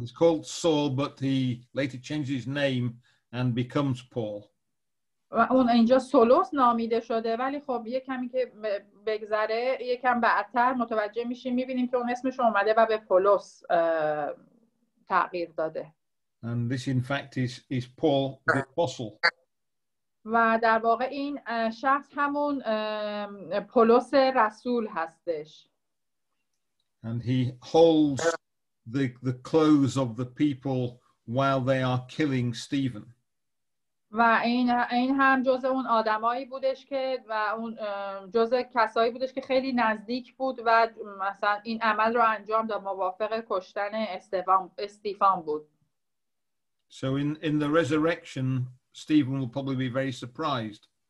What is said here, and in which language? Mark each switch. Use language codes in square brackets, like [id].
[en] He's called Saul, but he later changes his name and becomes Paul. [fa] و اون اینجا سولوس نامیده شده ولی خب یه کمی که بگذره یکم بعدتر متوجه میشیم میبینیم که اون اسمش اومده و به پولس تغییر داده. [en] And this in fact is Paul the Apostle. [fa] و در واقع این شخص همون پولس رسول هستش. [en] And he holds the clothes of the people while they are killing Stephen. [fa] و این هم جزء اون آدمایی بودش که و اون جزء کسایی بودش که خیلی نزدیک بود و مثلا این عمل رو انجام داد موافق کشتن استیفان بود. [en] So in the resurrection Stephen will probably be very surprised.